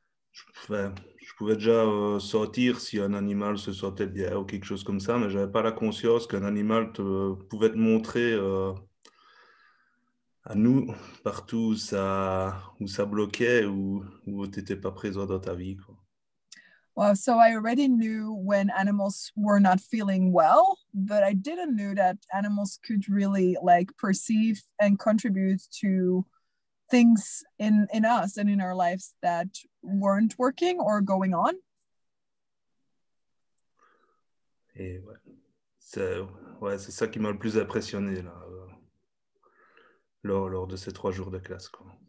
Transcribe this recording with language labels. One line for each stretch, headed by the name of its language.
French: Je pouvais déjà sortir si un animal se sentait bien ou quelque chose comme ça, mais j'avais pas la conscience qu'un animal pouvait te montrer à nous partout où ça bloquait ou où t'étais pas présent dans ta vie, quoi.
English: Well, so I already knew when animals were not feeling well, but I didn't know that animals could really like perceive and contribute to things in us and in our lives that weren't working or going on.
French: Et c'est ça qui m'a le plus impressionné là, lors de ces 3 jours de classe, quoi.